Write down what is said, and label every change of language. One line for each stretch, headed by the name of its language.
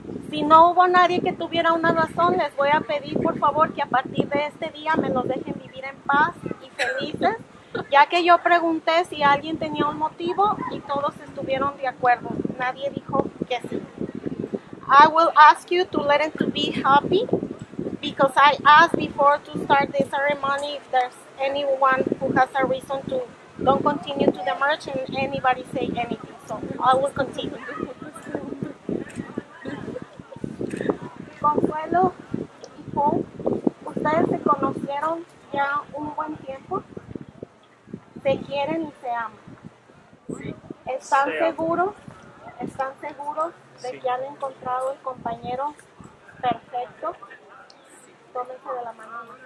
Spanish: Si no hubo nadie que tuviera una razón, les voy a pedir por favor que a partir de este día me los dejen vivir en paz y felices, ya que yo pregunté si alguien tenía un motivo y todos estuvieron de acuerdo. Nadie dijo que sí.
English: I will ask you to let it be happy because I asked before to start this ceremony if there's anyone who has a reason to don't continue to the march and anybody say anything. So I will continue.
Spanish: Consuelo y Paul, ustedes se conocieron ya un buen tiempo. Se quieren y se aman. ¿Están seguros? ¿Están seguros de que han encontrado el compañero perfecto? Tómense de la mano.